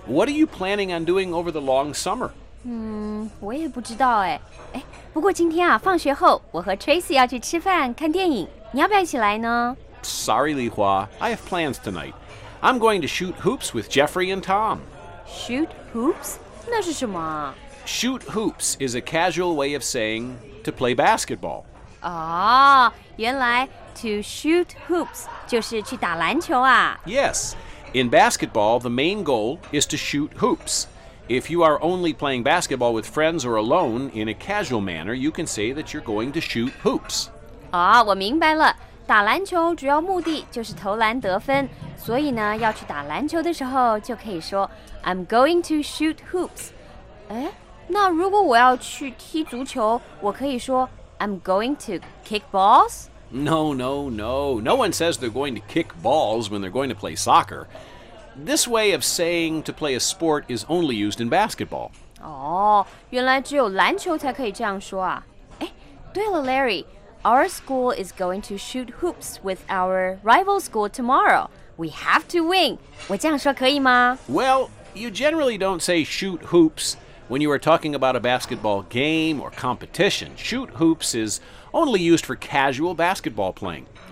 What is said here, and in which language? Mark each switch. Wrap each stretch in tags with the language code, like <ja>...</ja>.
<en>What are you planning on doing over the long summer?</en> <zh>我也不知道哎。哎，不过今天啊，放学后我和 Tracy 要去吃饭看电影，你要不要一起来呢？</zh> <en>Sorry, Li Hua, I have plans tonight. I'm going to shoot hoops with Jeffrey and Tom. Shoot hoops?</en> <zh>那是什么？</zh> <en>Shoot hoops is a casual way of saying to play basketball.</en> <zh>Oh, 原来</zh> <en>to shoot hoops</en> <zh>就是去打篮球啊。</zh> <en>Yes, in basketball, the main goal is to shoot hoops. If you are only playing basketball with friends or alone in a casual manner, you can say that you're going to shoot hoops.</en> <zh>Oh, 我明白了。打篮球主要目的就是投篮得分，所以呢，要去打篮球的时候就可以说</zh> <en>I'm going to shoot hoops.</en> <zh>哎。那如果我要去踢足球，我可以说</zh> <en>I'm going to kick balls? No, no, no. No one says they're going to kick balls when they're going to play soccer. This way of saying to play a sport is only used in basketball.</en> <zh>原来只有篮球才可以这样说啊。哎，对了</zh> <en>Larry, our school is going to shoot hoops with our rival school tomorrow. We have to win.</en> <zh>我这样说可以吗？</zh> <en>Well, you generally don't say shoot hoops. When you are talking about a basketball game or competition, shoot hoops is only used for casual basketball playing.</en>